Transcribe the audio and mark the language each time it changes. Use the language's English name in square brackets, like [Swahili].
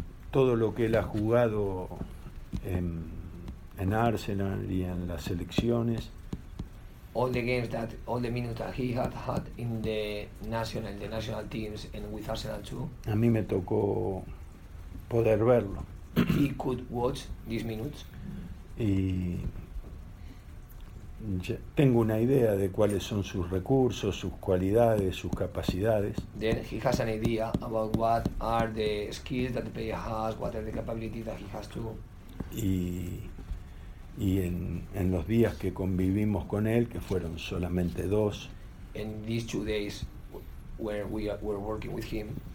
[Spanish] Todo lo que él ha jugado en Arsenal y en las selecciones. [English] All the minutes that he had in the national teams and with Arsenal too. [Spanish] A mí me tocó poder verlo. [English] He could watch these minutes. [Spanish] Y tengo una idea de cuáles son sus recursos, sus cualidades, sus capacidades. [English] Then he has an idea about what are the skills that the player has, what are the capabilities that he has too. [Spanish] Y en los días que convivimos con él, que fueron solamente dos, [English] in these 2 days where we were working with him,